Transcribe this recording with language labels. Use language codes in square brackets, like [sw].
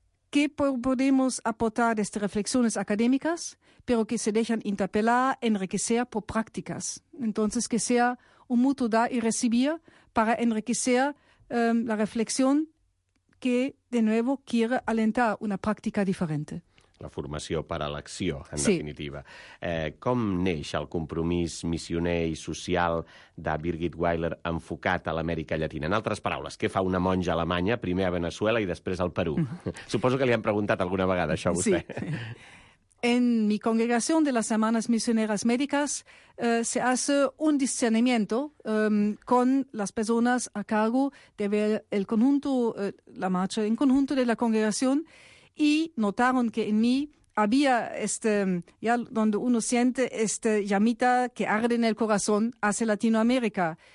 [es] ¿Qué podemos aportar desde reflexiones académicas, pero que se dejan interpelar, enriquecer por prácticas? Entonces, que sea un mutuo dar y recibir para enriquecer la reflexión que, de nuevo, quiere alentar una práctica diferente. [ca] La formació per a l'acció, en definitiva. Com neix el compromís missioner i social de Birgit Weiler enfocat a l'Amèrica Llatina? En altres paraules, què fa una monja alemanya, primer a Venezuela i després al Perú? Suposo que li han preguntat alguna vegada això a vostè. [es] Sí. En mi congregación de las Hermanas Misioneras Médicas se hace un discernimiento con las personas a cargo de ver el conjunto, la marcha en conjunto de la congregación, y notaron que en mí había este, ya donde uno siente esta llamita que arde en el corazón hacia Latinoamérica.